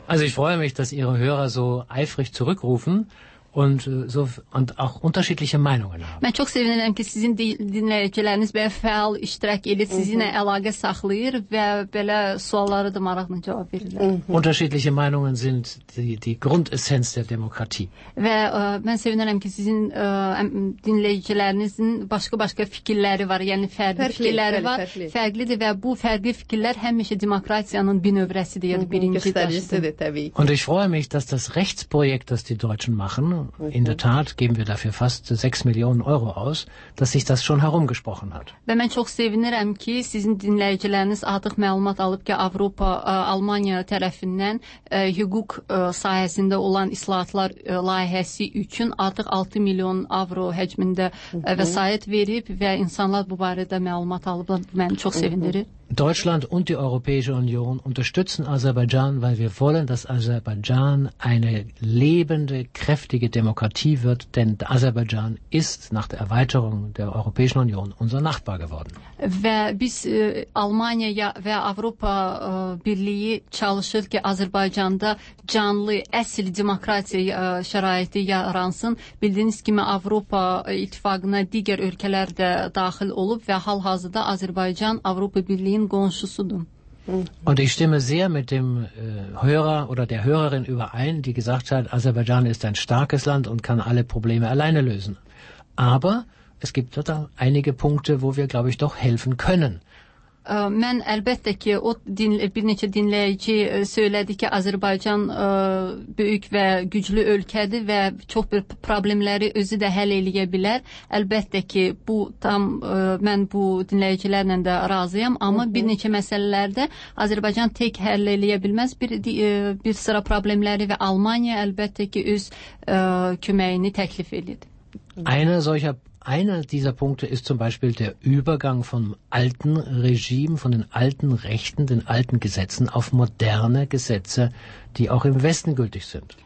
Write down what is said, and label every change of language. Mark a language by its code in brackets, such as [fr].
[de] Also ich freue mich, dass ihre Hörer so eifrig zurückrufen. Und auch unterschiedliche Meinungen haben. [az] Mən çox sevinirəm ki, sizin dinləyiciləriniz belə fəal iştirak edir, sizinlə əlaqə saxlayır və belə sualları da maraqla cavab verirlər. [de] Unterschiedliche Meinungen sind die Grundessenz der Demokratie. [az] Və mən sevinirəm ki, sizin dinləyicilərinizin başqa-başqa fikirləri var, yəni fərqli fikirləri var. Fərqlidir və bu fərqli fikirlər həmişə demokratiyanın bir növrəsidir, yəni birinci daşıdır. [de] Und ich freue mich, dass das Rechtsprojekt, das die Deutschen machen, in der Tat geben wir dafür fast 6 Millionen Euro aus, dass sich das schon herumgesprochen hat. [az] Mən çox sevinirəm ki, sizin dinləyiciləriniz artıq məlumat alıb ki, Avropa Almaniya tərəfindən hüquq sahəsində olan islahatlar layihəsi üçün artıq 6 milyon avro həcmində vəsait verib və insanlar bu barədə məlumat alıb. Məni çox sevindirir. [de] Deutschland und die Europäische Union unterstützen Aserbaidschan, weil wir wollen, dass Aserbaidschan eine lebende, kräftige Demokratie wird, denn Aserbaidschan ist nach der Erweiterung der Europäischen Union unser Nachbar geworden. [az] Wer bis Almanya ya ve Avropa Birliği çalışır ki Azerbaycan'da canlı əsl demokratiya şəraiti yaransın. Bildiyiniz kimi Avropa İttifaqına digər ölkələr də daxil olub və hal-hazırda Azərbaycan Avropa Birliyinin qonşusudur. [de] Und ich stimme sehr mit dem Hörer oder der Hörerin überein, die gesagt hat, Aserbaidschan ist ein starkes Land und kann alle Probleme alleine lösen. Aber es gibt da einige Punkte, wo wir, glaube ich, doch helfen können. [az] Mən əlbəttə ki, o bir neçə dinləyici söylədi ki, Azərbaycan böyük və güclü ölkədir və çox bir problemləri özü də həll eləyə bilər. Əlbəttə ki, bu tam mən bu dinləyicilərlə də razıyam, amma bir neçə məsələlərdə Azərbaycan tək həll eləyə bilməz. Bir sıra problemləri və Almaniya əlbəttə ki, öz köməyini təklif edir. [de] Eine solcher Einer dieser Punkte ist zum Beispiel der Übergang vom alten Regime, von den alten Rechten, den alten Gesetzen auf moderne Gesetze, die auch im Westen gültig sind.